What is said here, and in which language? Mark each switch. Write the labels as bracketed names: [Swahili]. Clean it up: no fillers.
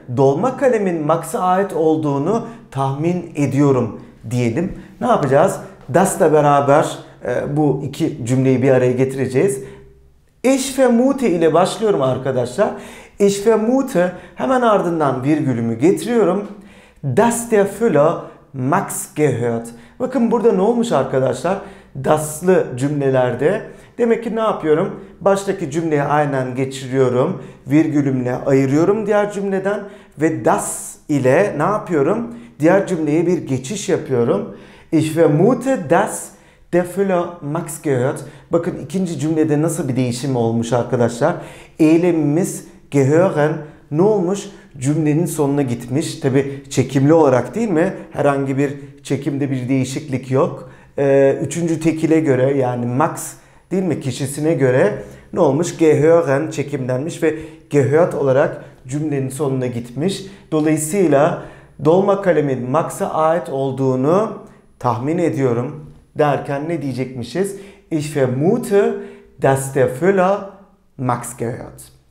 [Turkish] Dolma kalemin Max'a ait olduğunu tahmin ediyorum diyelim. Ne yapacağız? Das'la beraber bu iki cümleyi bir araya getireceğiz. Ich vermute ile başlıyorum arkadaşlar. Ich vermute hemen ardından virgülümü getiriyorum. [German] Das der Füller Max gehört. [Turkish] Bakın burada ne olmuş arkadaşlar? Das'lı cümlelerde. Demek ki ne yapıyorum? Baştaki cümleyi aynen geçiriyorum. Virgülümle ayırıyorum diğer cümleden. Ve das ile ne yapıyorum? Diğer cümleye bir geçiş yapıyorum. [German] Ich vermute das der Füller Max gehört. [Turkish] Bakın ikinci cümlede nasıl bir değişim olmuş arkadaşlar. Eylemimiz gehören ne olmuş? Cümlenin sonuna gitmiş. Tabii çekimli olarak değil mi? Herhangi bir çekimde bir değişiklik yok. Üçüncü tekile göre yani Max değil mi? Kişisine göre ne olmuş? Gehören çekimlenmiş ve gehört olarak cümlenin sonuna gitmiş. Dolayısıyla dolma kalemin Max'a ait olduğunu tahmin ediyorum derken ne diyecekmişiz? [German] Ich vermute, dass der Füller Max gehört.